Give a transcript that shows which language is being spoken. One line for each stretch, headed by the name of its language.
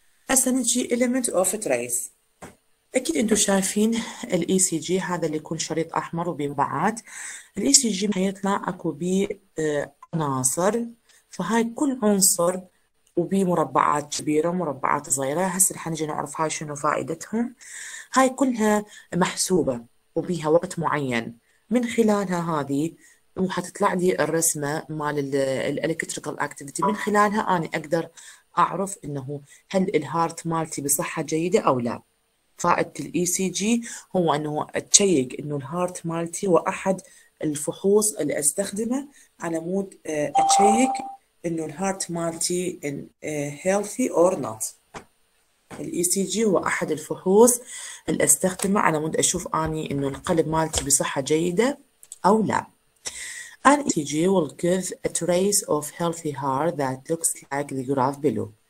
Arabic: هسه نجي element of trace. اكيد انتم شايفين الاي سي جي هذا اللي يكون شريط احمر وبمبعات. الاي سي جي حيطلع اكو بي عناصر، فهاي كل عنصر وبي مربعات كبيره ومربعات صغيره. هسه رح نجي نعرف هاي شنو فائدتهم. هاي كلها محسوبه وبيها وقت معين من خلالها، هذه وحتطلع لي الرسمه مال الالكتريكال اكتيفيتي. من خلالها اني اقدر اعرف انه هل الهارت مالتي بصحه جيده او لا. فائده الاي سي جي هو انه اتشيك انه الهارت مالتي، واحد الفحوص اللي استخدمه على مود اتشيك انه الهارت مالتي
English: ان healthy or not.
Arabic: الاي سي جي هو احد الفحوص اللي استخدمه على مود اشوف اني انه القلب مالتي بصحه جيده او لا.
English: An ECG will give a trace of healthy heart that looks like the graph below.